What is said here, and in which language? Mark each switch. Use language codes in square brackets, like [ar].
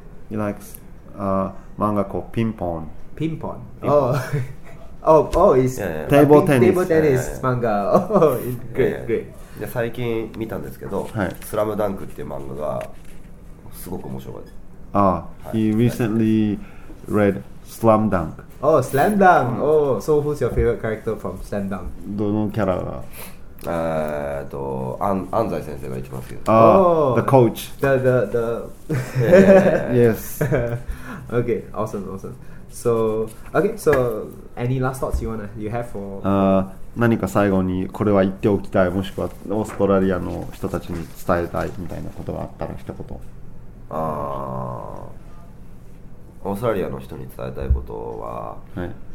[en] He likes a manga called Ping-Pong. Ping-Pong? Oh. Oh, oh, it's yeah, yeah. Table Tennis. Table Tennis manga. Oh, it's great, great. [ja] で最近見たんですけど、はい、スラムダンクっていう漫画がすごく面白かったです。 [en] Ah, he recently read Slam Dunk. Oh, Slam Dunk. Oh, so who's your favorite character from Slam Dunk? [ja] どのキャラが？安西先生が一番好きです。 [en] The coach. The Yes. Okay, awesome, awesome. So, okay, so any last thoughts you wanna you have for? [ja] 何か最後にこれは言っておきたい、もしくはオーストラリアの人たちに伝えたいみたいなことがあったら一言。オーストラリアの人に伝えたいことは、はい、